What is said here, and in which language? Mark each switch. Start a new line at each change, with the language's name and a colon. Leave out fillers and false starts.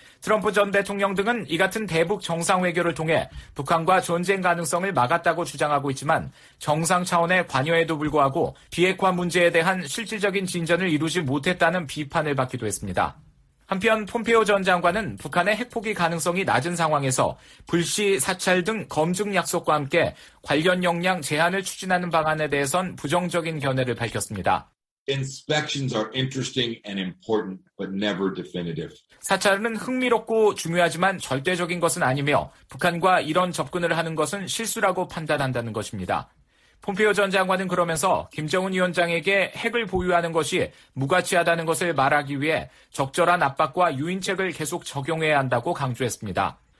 Korean: 트럼프 전 대통령 등은 이 같은 대북 정상외교를 통해 북한과 전쟁 가능성을 막았다고 주장하고 있지만 정상 차원의 관여에도 불구하고 비핵화 문제에 대한 실질적인 진전을 이루지 못했다는 비판을 받기도 했습니다. 한편 폼페이오 전 장관은 북한의 핵포기 가능성이 낮은 상황에서 불시, 사찰 등 검증 약속과 함께 관련 역량 제한을 추진하는 방안에 대해선 부정적인 견해를 밝혔습니다.
English: Inspections are interesting and important, but never definitive.
Korean: 사찰은 흥미롭고 중요하지만 절대적인 것은 아니며 북한과 이런 접근을 하는 것은 실수라고 판단한다는 것입니다. 폼페이오 전 장관은 그러면서 김정은 위원장에게 핵을 보유하는 것이 무가치하다는 것을 말하기 위해 적절한 압박과 유인책을 계속 적용해야 한다고 강조했습니다.